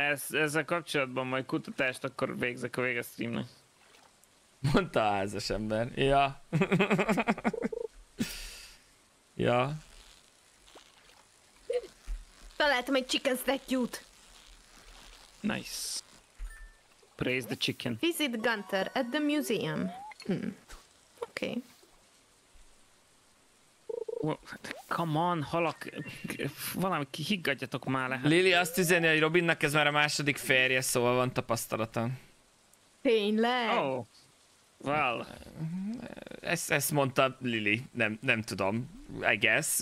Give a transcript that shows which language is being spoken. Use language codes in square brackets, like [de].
[hu] Ezzel kapcsolatban majd kutatást akkor végzek a vége streamnek. Mondta a házas ember. Ja. Ja. Találtam egy chicken statue-t. [en] Nice. Praise the chicken. Visit Gunter at the museum. Okay. [hu] Come on, halak, valami higgadjatok már lehet. Lili azt üzeni, hogy Robinnak ez már a második férje, szóval van tapasztalata. Tényleg? [en] Oh. Well, [hu] ezt mondta Lili, nem tudom, [en] I guess.